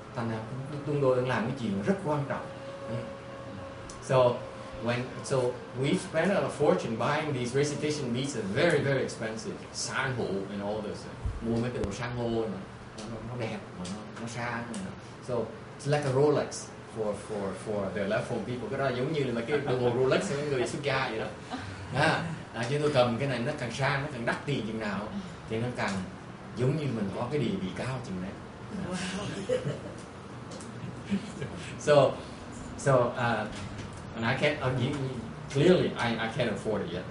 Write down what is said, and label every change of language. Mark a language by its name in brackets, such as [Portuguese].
[Vietnamese] Thành ra chúng tôi đang làm cái chuyện rất quan trọng. [English] So we spend a fortune buying these recitation beads that are very, very expensive. [Vietnamese] San hô [English] and all this. [Vietnamese] Mua mấy cái đồ san hô mà nó đẹp, mà nó sang. Mà. [English] So it's like a Rolex for the left home people. [Vietnamese] Cái đó giống như là cái đồng hồ Rolex của người xuất gia vậy đó. Chứ tôi cầm cái này nó càng sang, nó càng đắt tiền chừng nào thì nó càng giống như mình có cái địa vị cao chừng đấy. [English] And I can't clearly I can't afford it yet.